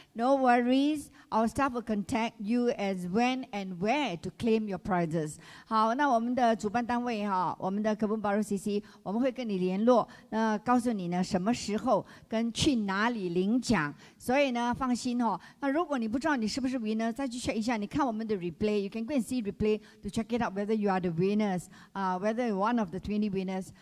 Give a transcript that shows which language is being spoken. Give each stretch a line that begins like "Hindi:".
English: No worries, our staff will contact you as when and where to claim your prizes.
Chinese: 好，那我们的主办单位哈，我们的可本保罗 CC， 我们会跟你联络，那告诉你呢什么时候跟去哪里领奖。所以呢，放心哦。那如果你不知道你是不是 winner， 再去 check 一下。你看我们的
English: replay， you can go and see replay to check it out whether you are the winners， whether you're one of the 20 winners.